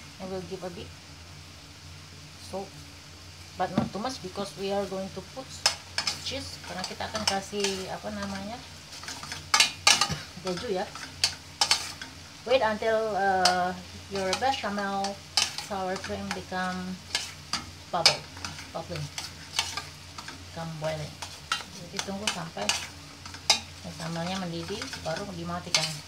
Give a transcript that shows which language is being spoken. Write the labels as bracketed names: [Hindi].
[English] will give a bit salt, but not too much because we are going to put cheese. [Indonesian] Karena kita akan kasih apa namanya keju ya. [English] Wait until your bechamel sour cream become bubbling, become boiling. [Indonesian] Jadi tunggu sampai bechamelnya mendidih, baru dimatikan.